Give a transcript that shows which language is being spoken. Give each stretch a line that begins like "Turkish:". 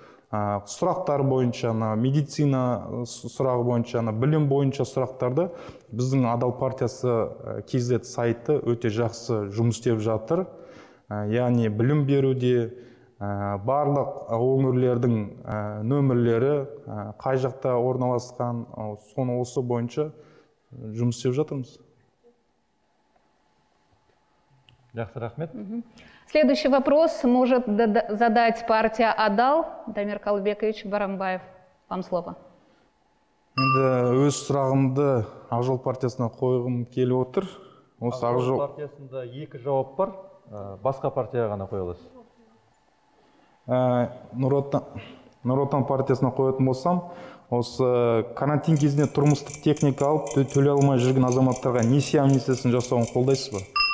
Kazakh: Сұрақтар бойынша, медицина сұрағы бойынша, білім бойынша сұрақтарды біздің Адал партиясы кезет сайты өте жақсы жұмыс істеп жатыр. Яғни, білім беруде барлық өңірлердің нөмірлері қай жақта орналасқан, соны осы бойынша жұмыс істеп жатырмыз. Жақсы, рахмет.
Russian: Следующий вопрос может задать партия Адал. Дамир Калыбекович Барамбаев, вам слово.
Kazakh: Енді өз сұрағымды Ақжол партиясына қойғым келіп отыр. Ақжол партиясында екі жауап бар, басқа партияға ғана қойылады. Нұр Отан партиясына қоятын болсам, осы карантин кезінде тұрмыстық техника алып, төлей алмай жүрген азаматтарға несие амнистиясын жасауын қолдайсыз ба?